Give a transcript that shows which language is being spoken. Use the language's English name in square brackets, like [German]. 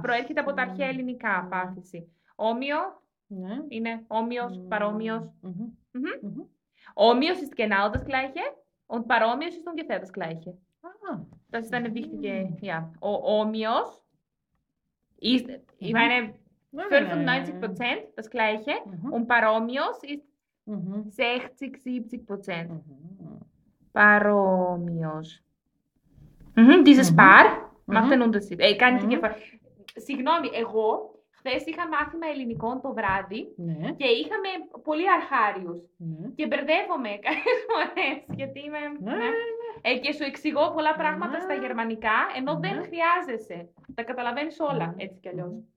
[Greek] προέρχεται από τα αρχαία ελληνικά πάθηση. Όμοιο είναι όμοιος, παρόμοιος. [German] Όμοιος ist genau das gleiche und παρόμοιος ist ungefähr das gleiche. Das ist eine wichtige, ja. Ο όμοιος ist, ich meine, 95% das gleiche und παρόμοιος ist 60-70%. Παρόμοιος. Dieses Paar macht einen Unterschied. [Greek] Κάνει την διαφορά. Συγγνώμη, εγώ χθες είχα μάθημα ελληνικών το βράδυ Ναι. και είχαμε πολύ αρχάριους. Ναι. Και μπερδεύομαι κάποιες φορές γιατί είμαι. Ναι. Και σου εξηγώ πολλά πράγματα στα γερμανικά ενώ δεν χρειάζεσαι. Τα καταλαβαίνεις όλα έτσι κι αλλιώς.